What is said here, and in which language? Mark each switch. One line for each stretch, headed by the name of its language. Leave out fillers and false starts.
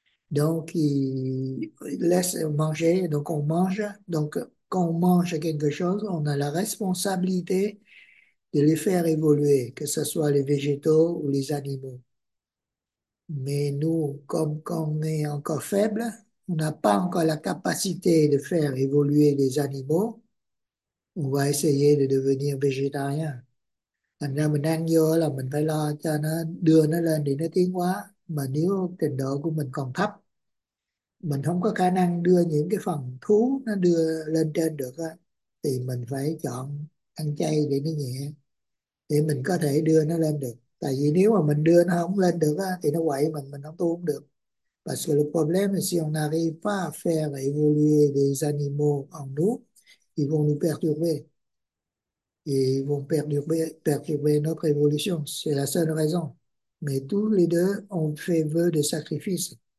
French: Donc, ils laissent manger, donc on mange, donc, quand on mange quelque chose, on a la responsabilité de les faire évoluer, que ce soit les végétaux ou les animaux. Mais nous, comme on est encore faible, on n'a pas encore la capacité de faire évoluer les animaux, on va essayer de devenir végétarien.
Vietnamese: Thành ra mình ăn vô là mình phải lo cho nó, đưa nó lên để nó tiến hóa. Mà nếu trình độ của mình còn thấp, mình không có khả năng đưa những cái phần thú nó đưa lên trên được á, thì mình phải chọn ăn chay để nó nhẹ để mình có thể đưa nó lên được. Tại vì nếu mà mình đưa nó không lên được á, thì nó quậy mình không tu không được.
French: Parce que le problème, si on n'arrive pas à faire évoluer des animaux en nous, ils vont nous perturber. Ils vont perturber notre évolution. C'est la seule raison. Mais tous les deux ont fait vœu de sacrifice.